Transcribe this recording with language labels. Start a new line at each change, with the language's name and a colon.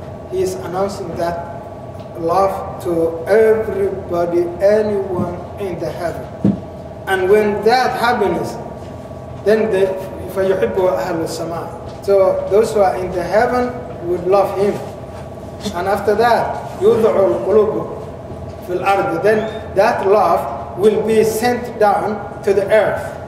English: He is announcing that love to everybody, anyone in the heaven. And when that happens, then the
Arabic: فَيُحِبُّ أَهْلُ السَّمَاءِ.
English: So those who are in the heaven would love him. And after that,
Arabic: يُوضُعُ الْقُلُوبُ فِي الْأَرْضِ.
English: Then that love will be sent down to the earth.